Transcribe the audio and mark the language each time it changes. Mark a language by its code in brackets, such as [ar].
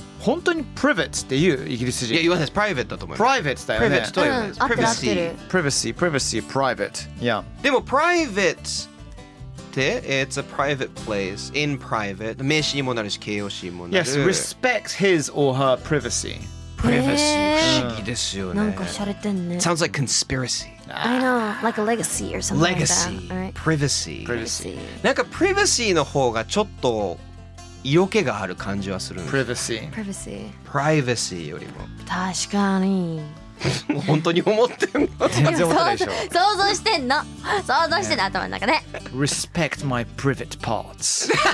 [ja] 本当に private って言うイギリス人。いや、言わないです。 private だと思います。 private だよね。 private と言わないです。 [en] privacy、 privacy、privacy、private。 Yeah。 [ja] でも private って、 [en] it's a private place in private。 [ja] 名詞にもなるし、形容詞にもなる。 [en] Yes, respect his or her privacy。 [ja] Privacy 不思議ですよね。なんか洒落てんね。 [en] Sounds like conspiracy. I know, like a legacy or something. Legacy, like that.、 Right? Privacy. Privacy. [ja] なんか privacy の方がちょっと色気がある感じはするん [en] です。Privacy. Privacy. [ja] Privacy よりも。確かに。本当に思ってんの？全然思ってないでしょ。想像してんの。想像してんの、ね、頭の中で。 [en] Respect my private parts.